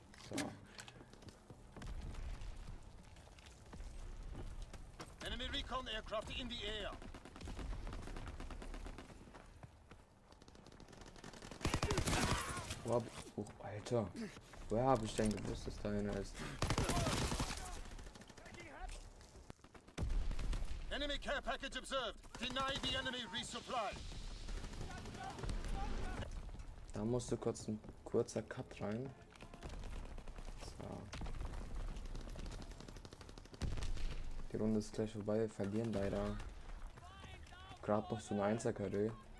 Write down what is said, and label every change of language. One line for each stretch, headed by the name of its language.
German: So.
English: Enemy Recon Aircraft in the air.
German: Oh, Alter. Woher habe ich denn gewusst, dass da einer ist?
English: Enemy care package observed. Deny the enemy resupply.
German: Da musste kurz ein kurzer Cut rein. So. Die Runde ist gleich vorbei, wir verlieren leider. Gerade noch so ein 1er-KD.